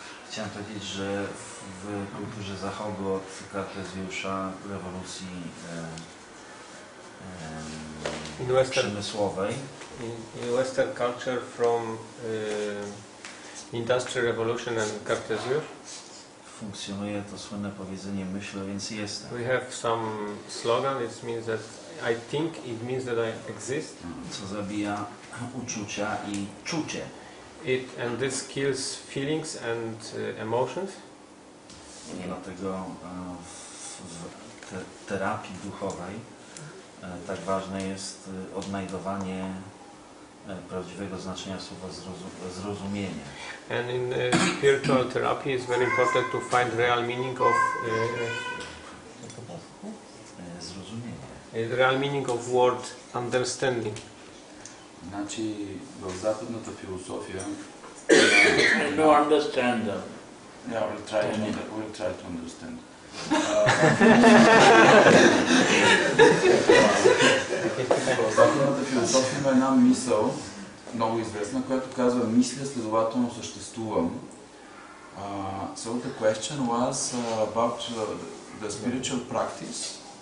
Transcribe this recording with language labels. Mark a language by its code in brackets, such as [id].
[pl] Chciałem powiedzieć, że w kulturze Zachodu od Kartezjusza rewolucji przemysłowej. [en] In Western culture from Industrial Revolution and Cartesius. [pl] Funkcjonuje to słynne powiedzenie myślę, więc jestem. [en] We have some slogan, it means that I think, it means that I exist. [pl] Co zabija uczucia i czucie. [en] It and this kills feelings and emotions. [pl] Dlatego w terapii duchowej tak ważne jest odnajdowanie prawdziwego znaczenia słowa zrozumienie. [en] And in spiritual therapy it's very important to find real meaning of [pl] zrozumienie. [en] The real meaning of word understanding. [pl] Znaczy w zachodniej filozofii. [en] I don't understand them. Yeah, we'll try. We'll try to understand. [bg] Западната философия има една мисъл, много известна, която казва: мисля, следователно съществувам. [en] So the question was about the spiritual practice.